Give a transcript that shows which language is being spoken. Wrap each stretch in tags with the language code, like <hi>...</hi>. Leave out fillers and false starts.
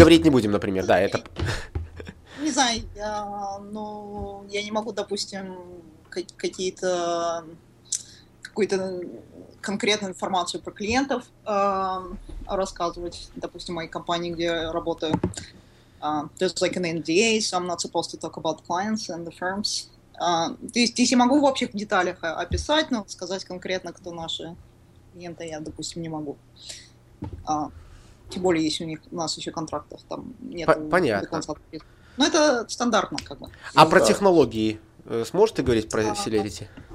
<ru>говорить не будем, например. Да, это... не знаю, но я не могу, допустим, какую-то конкретную информацию про клиентов рассказывать, допустим, моей компании, где я работаю.</ru> <en>There's like an NDA, so I'm not supposed to talk about clients and the firms.</en> <ru>Здесь я могу в общих деталях описать, но сказать конкретно, кто наши клиенты, я, допустим, не могу. Тем более, если у нас еще контрактов там нету до Понятно. конца. Но это стандартно, как бы. А про Да. технологии сможете говорить про Celerity?</ru>